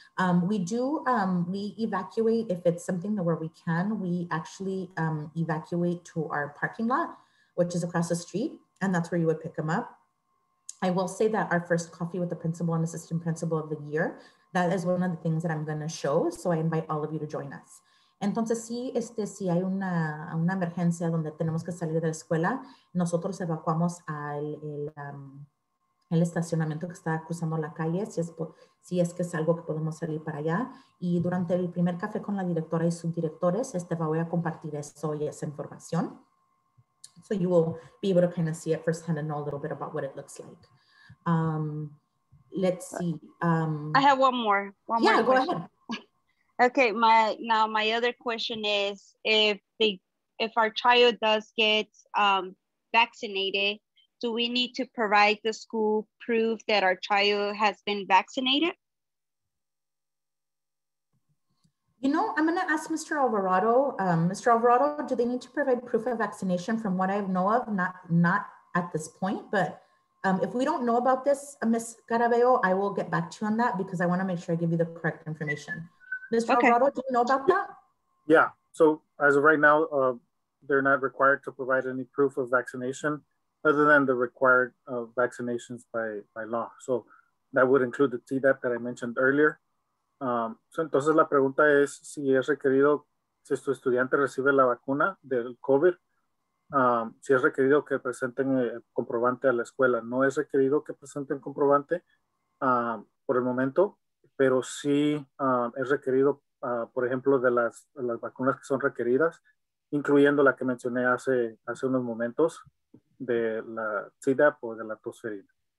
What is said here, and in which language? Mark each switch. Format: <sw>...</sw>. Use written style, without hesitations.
<en>We evacuate if it's something where we can. We actually evacuate to our parking lot, which is across the street, and that's where you would pick them up. I will say that our first coffee with the principal and assistant principal of the year, that is one of the things that I'm going to show. So I invite all of you to join us.</en> <es>Entonces, si hay una emergencia donde tenemos que salir de la escuela, nosotros evacuamos al el estacionamiento que está cruzando la calle, si es que es algo que podemos salir para allá. Y durante el primer café con la directora y subdirectores, voy a compartir eso y esa información.</es> <en>So you will be able to kind of see it firsthand and know a little bit about what it looks like. Let's see. I have one more question. Yeah, go ahead. Okay, my other question is, if our child does get vaccinated, do we need to provide the school proof that our child has been vaccinated? You know, I'm gonna ask Mr. Alvarado. Mr. Alvarado, do they need to provide proof of vaccination? From what I know of, not at this point, but if we don't know about this, Ms. Carabeo, I will get back to you on that because I wanna make sure I give you the correct information. Mr. Okay. Alvarado, do you know about that? Yeah, so as of right now, they're not required to provide any proof of vaccination other than the required vaccinations by law. So that would include the Tdap that I mentioned earlier.</en> <es>Entonces la pregunta es si es requerido, si su estudiante recibe la vacuna del COVID, si es requerido que presenten el comprobante a la escuela. No es requerido que presenten comprobante por el momento, pero sí es requerido, por ejemplo, de las vacunas que son requeridas, incluyendo la que mencioné hace unos momentos, de la Tdap o de la tosferina.</es>